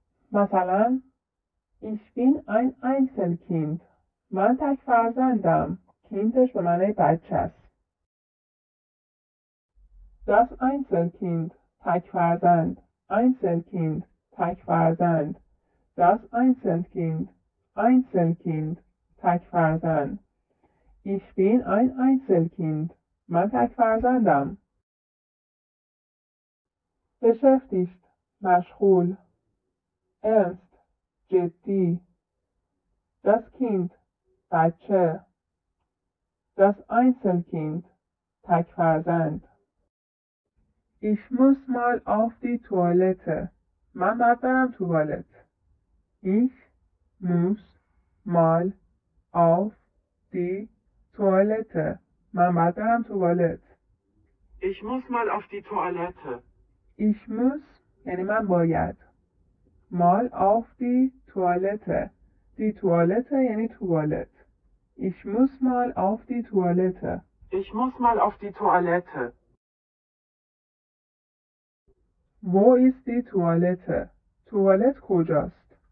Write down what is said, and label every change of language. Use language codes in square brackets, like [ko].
[fa] مثلا [de] Ich bin ein Einzelkind. [fa] من تک فرزندم. Kindش به معنی بچه است. [de] Das Einzelkind. [fa] تک فرزند. [de] Einzelkind, [fa] تک فرزند. [de] Das Einzelkind, Einzelkind, [fa] تک فرزند. [de] Ich bin ein Einzelkind, [fa] من تک فرزندم. [de] Beschäftigt, [fa] مشغول. [de] Ernst, [fa] جدی. [de] Das Kind, [fa] بچه. [de] Das Einzelkind, [fa] تک فرزند. [de] Ich muss mal auf die Toilette. [fa] من باید برم توالت. [de] Ich muss mal auf die Toilette. [fa] من باید برم توالت. [de] Ich muss mal auf die Toilette. Ich muss [fa] یعنی من باید. [de] Mal auf die Toilette. Die Toilette [fa] یعنی توالت. [de] Ich muss mal auf die Toilette. Ich muss mal auf die Toilette. Wo ist die Toilette? Toilette [fa] kojast.